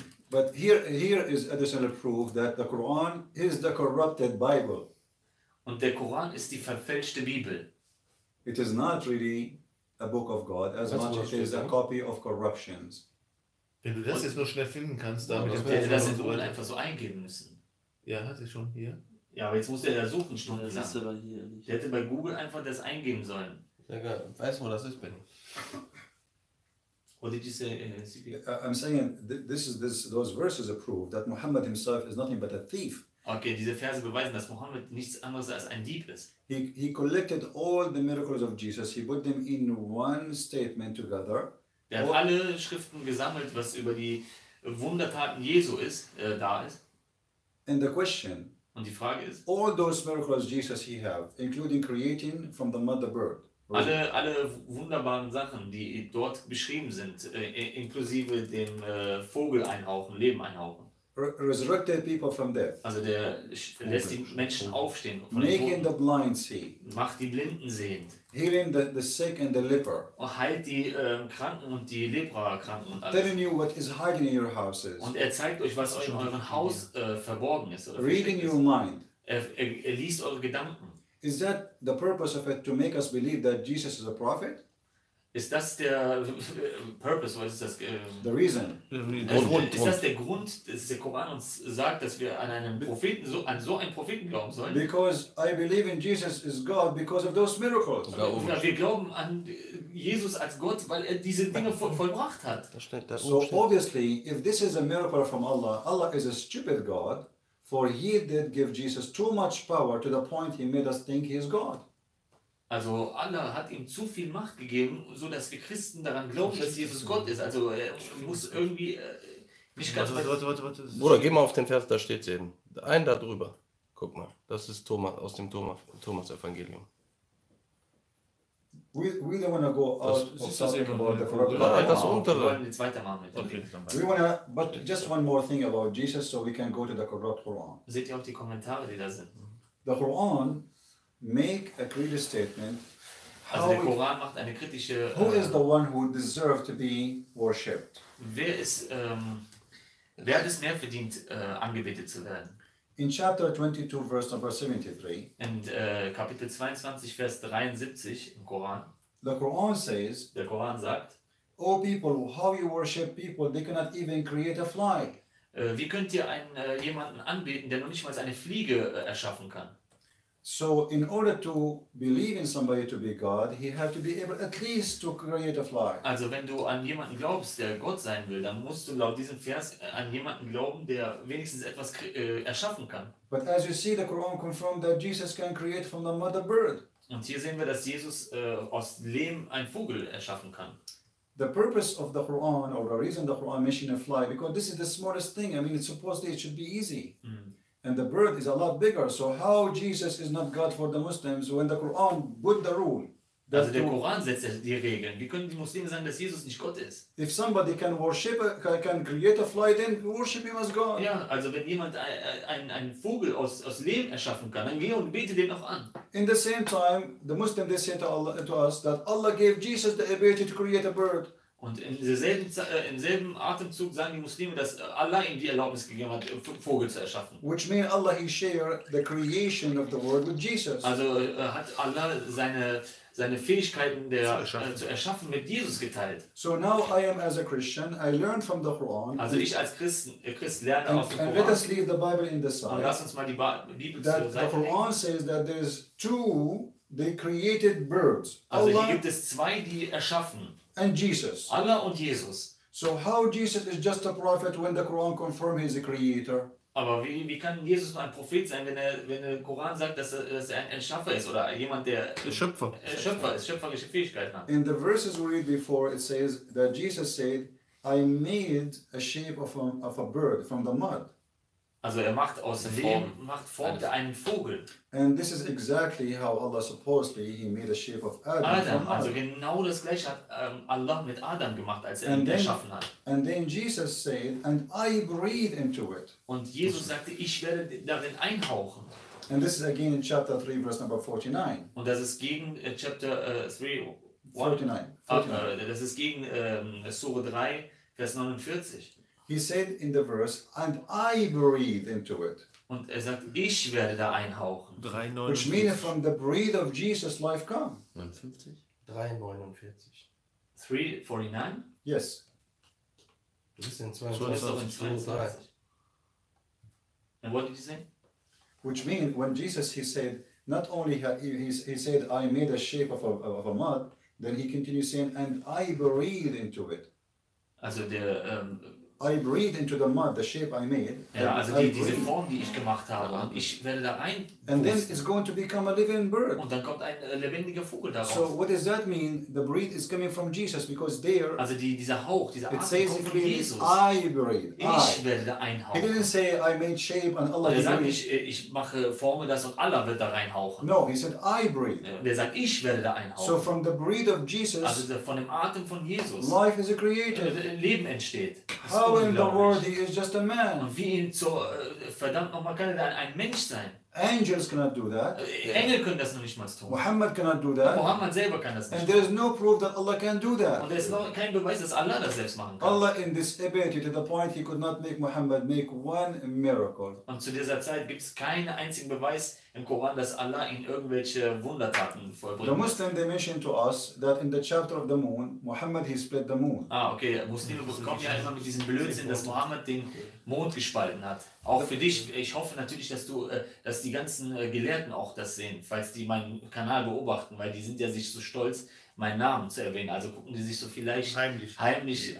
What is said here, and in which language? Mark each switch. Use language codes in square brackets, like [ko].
[en] But here is additional proof that the Quran is the corrupted Bible. [de] Und der Koran ist die verfälschte Bibel. [en] It is not really a book of God, as das much as it is a copy of corruptions. [de] Wenn du das jetzt nur schnell finden kannst, damit hätte er das in Google einfach so eingeben müssen. Ja, hat er schon hier. Ja, aber jetzt muss er da suchen, schon. Das ist aber hier nicht. Der hätte bei Google einfach das eingeben sollen. Ja, geil. Weiß man, dass ich bin. [en] What did you say? I'm saying those verses approve that Muhammad himself is nothing but a thief. [de] Okay, diese Verse beweisen, dass Muhammad nichts anderes als ein Dieb ist. [en] He collected all the miracles of Jesus. He put them in one statement together. [de] Er hat alle Schriften gesammelt, was über die Wundertaten Jesu ist, da ist. [en] And the question. [de] Und die Frage ist. [en] All those miracles Jesus he have, including creating from the mother bird. Right? [de] Alle wunderbaren Sachen, die dort beschrieben sind, inklusive dem Vogel einhauchen, Leben einhauchen. [en] Resurrected people from death. [de] Also der lässt die Menschen aufstehen. [en] Making the blind see. [de] Macht die Blinden sehend. [en] Healing the sick and the leper. [de] Und heilt die Kranken und die Leprakranken und alles. [en] Telling you what is hiding in your houses. [de] Und er zeigt euch, was euch in eurem Haus verborgen ist. Oder [en] reading your mind. [de] Er liest eure Gedanken. [en] Is that the purpose of it to make us believe that Jesus is a prophet? [de] Ist das der Purpose, was ist das? [en] The reason. [de] Ist das der Grund, dass der Koran uns sagt, dass wir an einen Propheten, an so einen Propheten glauben sollen? [en] Because I believe in Jesus is God because of those miracles. [de] Ja, wir glauben an Jesus als Gott, weil er diese Dinge vollbracht hat. [en] So obviously, if this is a miracle from Allah, Allah is a stupid God, for he did give Jesus too much power to the point he made us think he is God. [de] Also Allah hat ihm zu viel Macht gegeben, so dass wir Christen daran glauben, dass Jesus Gott ist. Also er muss irgendwie nicht ganz. Warte. Bruder, geh mal auf den Vers, da steht es eben. Ein da drüber. Guck mal, das ist Thomas aus dem Thomas Evangelium. [en] We don't want to go out talking about the corruption. [de] Nein, das untere. Wir wollen jetzt weitermachen mit dem Ding. [en] We want to, but just one more thing about Jesus, so we can go to the corrupt Quran. [de] Seht ihr auch die Kommentare, die da sind? [en] The Quran make a clear statement [de] Also der Koran macht eine kritische... [en] Who is the one who deserves to be worshipped? [de] Wer hat es mehr verdient, angebetet zu werden? [en] In chapter 22, verse number 73. [de] In Kapitel 22, Vers 73 im Koran. [en] The Quran says, [de] der Koran sagt, [en] O people, how you worship people, they cannot even create a fly. [de] Wie könnt ihr einen jemanden anbeten, der noch nicht mal eine Fliege erschaffen kann? [en] So in order to believe in somebody to be God, he has to be able at least to create a fly. [de] Also wenn du an jemanden glaubst, der Gott sein will, dann musst du laut diesem Vers an jemanden glauben, der wenigstens etwas erschaffen kann. [en] But as you see, the Quran confirms that Jesus can create from the mother bird. Und hier sehen wir, dass Jesus aus Lehm einen Vogel erschaffen kann. The purpose of the Quran, or the reason the Quran mentioned a fly, because this is the smallest thing. I mean, it's supposed to, it should be easy. And the bird is a lot bigger. So how Jesus is not God for the Muslims when the Quran put the rule? [de] Also der Koran setzt die Regeln. Wie können die Muslime sagen, dass Jesus nicht Gott ist? [en] If somebody can worship, can create a fly, then worship him as God. [de] Ja, also wenn jemand einen Vogel aus Lehm erschaffen kann, dann geh und bete den auch an. [en] In the same time, the Muslim they say to Allah, to us, that Allah gave Jesus the ability to create a bird. [de] Und im selben Atemzug sagen die Muslime, dass Allah ihm die Erlaubnis gegeben hat, Vogel zu erschaffen. [en] Which means Allah he shared the creation of the world with Jesus. [de] Also hat Allah seine Fähigkeiten zu erschaffen mit Jesus geteilt. [en] So now I am as a Christian, I learn from the Quran. [de] Also ich als Christ lerne aus dem Koran. [en] And let us leave the Bible in the side. [de] Und lass uns mal die Bibel [en] that [de] zur Seite [en] the Quran [de] legen. [en] Says that there's two, they created birds. [de] Also Allah, hier gibt es zwei, die erschaffen. [en] And Jesus. [de] Allah und Jesus. [en] So how Jesus is just a prophet when the Quran confirms he's a creator? [de] Aber wie kann Jesus nur ein Prophet sein, wenn der Koran sagt, dass er ein Erschaffer ist oder jemand, der Schöpfer ist, schöpferische Fähigkeiten hat? [en] In the verses we read before, it says that Jesus said, I made a shape of a bird from the mud. [de] Also er macht aus Lehm, macht formt einen Vogel. [en] And this is exactly how Allah supposedly he made the shape of Adam. [de] Adam, also genau das gleiche hat Allah mit Adam gemacht, als er ihn erschaffen hat. [en] And then Jesus said, and I breathe into it. [de] Und Jesus sagte, ich werde darin einhauchen. [en] And this is again in chapter 3, verse number 49. [de] Und das ist gegen chapter 3, 49. Das ist gegen Sure 3, Vers 49. [en] He said in the verse, and I breathe into it. [de] Und er sagt, ich werde da einhauchen. 3,49. [en] Which means from the breath of Jesus life come. 59? 3,49. 3,49? Yes. [de] Du bist in 22. [en] And what did you say? Which means when Jesus he said, not only he said, I made a shape of a mud, then he continues saying, and I breathe into it. [de] Also der... [en] I breathe into the mud, the shape I made. [de] Ja, also diese Form, die ich gemacht habe. Und ich werde da rein. [en] And then it's going to become a living bird. [de] Und dann kommt ein lebendiger Vogel daraus. [en] So what does that mean? The breath is coming from Jesus, because there. [de] Also dieser Hauch, dieser Atem kommt von Jesus. [en] I breathe. [de] Ich werde da einhauchen. [en] He didn't say I made shape and Allah. [de] Er sagt nicht, ich mache Forme, das und Allah wird da reinhauchen. [en] No, he said I breathe. [de] Er sagt, ich werde da einhauchen. [en] So from the breath of Jesus. [de] Also von dem Atem von Jesus. [en] Life is a creator. [de] Leben entsteht. [en] How in the world he is just a man? [de] Und wie ihn so verdammt nochmal kann er dann ein Mensch sein? [en] Angels cannot do that. [de] Engel können das noch nicht mal tun. [en] Muhammad cannot do that. [de] Muhammad selber kann das nicht. [en] And there is no proof that Allah can do that. [de] Und es ist noch kein Beweis, dass Allah das selbst machen kann. [en] Allah in this ability to the point he could not make Muhammad make one miracle. [de] Und zu dieser Zeit gibt es keinen einzigen Beweis im Koran, dass Allah in irgendwelche Wundertaten vollbringt. [en] The Muslim they mention to us that in the chapter of the moon, Muhammad he split the moon. [de] Ah, okay. Muslime bekommen ja immer mit diesem Blödsinn, dass Muhammad den Mond gespalten hat. Auch für dich, ich hoffe natürlich, dass du, dass die ganzen Gelehrten auch das sehen, falls die meinen Kanal beobachten, weil die sind ja sich so stolz, meinen Namen zu erwähnen. Also gucken die sich so vielleicht heimlich